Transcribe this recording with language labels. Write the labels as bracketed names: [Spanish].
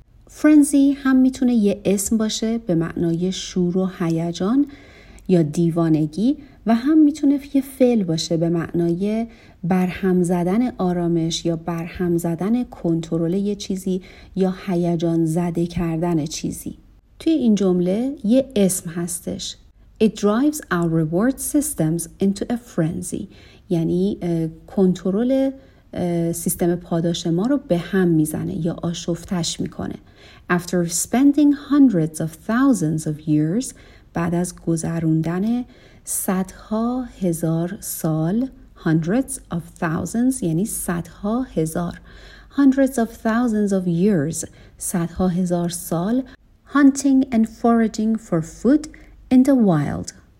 [Persian] فرنزی هم میتونه یه اسم باشه به معنای شور و هیجان یا دیوانگی و هم میتونه یه فعل باشه به معنای برهم زدن آرامش یا برهم زدن کنترل یه چیزی یا هیجان زده کردن چیزی. توی این جمله یه اسم هستش. [English] It drives our reward systems into a frenzy. [Persian] یعنی کنترل سیستم پاداش ما رو به هم میزنه یا آشفتش میکنه. [English] After spending hundreds of thousands of years، [Persian] بعد از گذروندن صدها هزار سال، [English] hundreds of thousands [Persian] یعنی صدها هزار، [English] hundreds of thousands of years، [Persian] صدها هزار سال، [English] hunting and foraging for food in the wild.